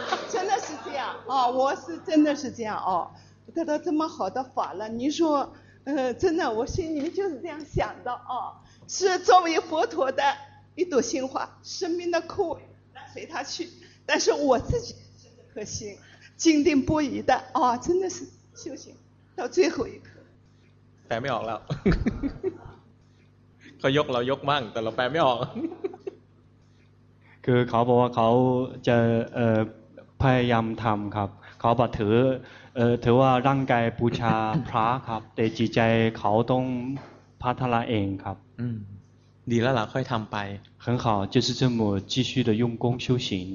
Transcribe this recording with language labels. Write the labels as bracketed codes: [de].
[zh] 真的是这样哦我是真的是这样哦得到这么好的法了你说真的我心里就是这样想的哦是作为佛陀的一朵心花生命的枯萎随他去但是我自己是这颗心坚定不移的哦真的是修行到最后一刻白秒了 [th] เขายกเรายกมั่งแต่เราแปลไม่ออก คือเขาบอกว่าเขาจะพยายามทำครับเขาบอกถือว่าร่างกายบูชาพระครับแต่จิตใจเขาต้องพัฒนาเองครับ ดีแล้วล่ะค่อยทำไป [zh] 很好就是这么继续的用功修行